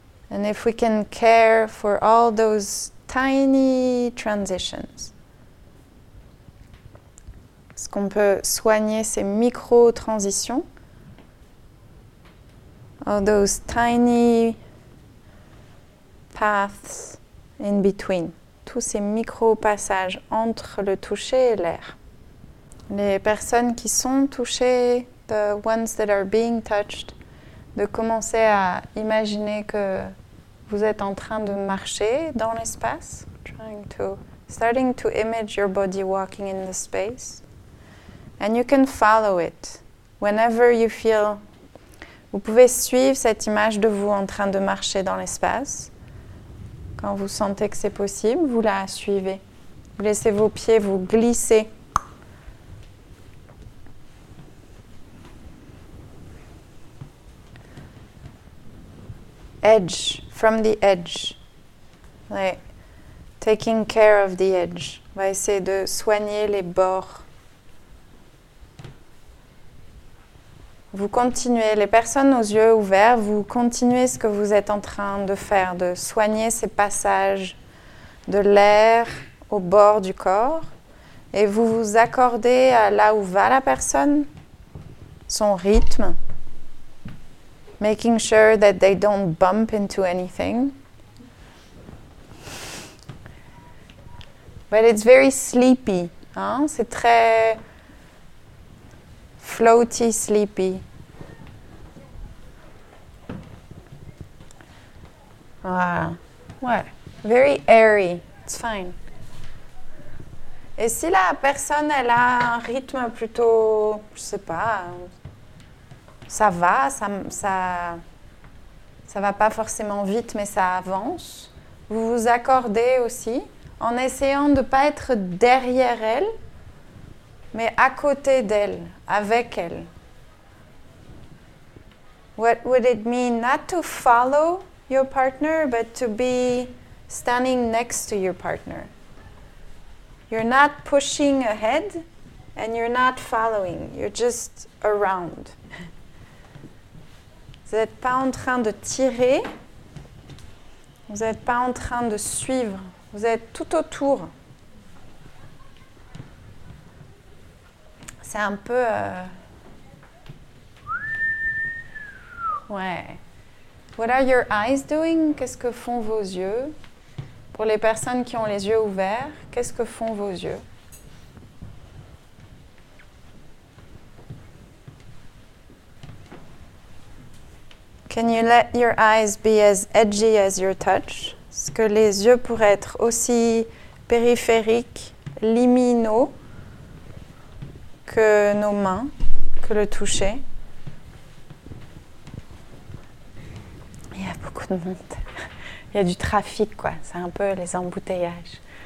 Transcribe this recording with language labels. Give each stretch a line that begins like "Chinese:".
English: And if we can care for all those tiny transitions.
French: Est-ce qu'on peut soigner ces micro-transitions?
English: All those tiny paths in between.
French: Tous ces micro-passages entre le toucher et l'air. Les personnes qui sont touchées,
English: the ones that are being touched,
French: de commencer à imaginer que vous êtes en train de marcher dans l'espace.
English: Starting to image your body walking in the space. And you can follow it whenever you feel.
French: Vous pouvez suivre cette image de vous en train de marcher dans l'espace. Quand vous sentez que c'est possible, vous la suivez. Vous laissez vos pieds vous glisser.
English: Edge, from the edge. Like, taking care of the edge.
French: On va essayer de soigner les bords. Vous continuez, les personnes aux yeux ouverts, vous continuez ce que vous êtes en train de faire, de soigner ces passages de l'air au bord du corps. Et vous vous accordez à là où va la personne, son rythme.
English: Making sure that they don't bump into anything. But it's very sleepy, hein?
French: C'est très
English: floaty, sleepy. Wow. Ouais. Very airy. It's fine.
French: Et si la personne, elle a un rythme plutôt, je sais pas, ça va, ça va pas forcément vite, mais ça avance. Vous vous accordez aussi en essayant de pas être derrière elle, mais à côté d'elle, avec elle.
English: What would it mean not to follow your partner, but to be standing next to your partner. You're not pushing ahead and you're not following, you're just around.
French: Vous n'êtes pas en train de tirer, vous n'êtes pas en train de suivre, vous êtes tout autour. C'est un peu... Ouais.
English: What are your eyes doing?
French: Qu'est-ce que font vos yeux? Pour les personnes qui ont les yeux ouverts, qu'est-ce que font vos yeux?
English: Can you let your eyes be as edgy as your touch?
French: Est-ce que les yeux pourraient être aussi périphériques, liminaux, que nos mains, que le toucher. Il y a beaucoup de monde. Il y a du trafic, quoi. C'est un peu les embouteillages.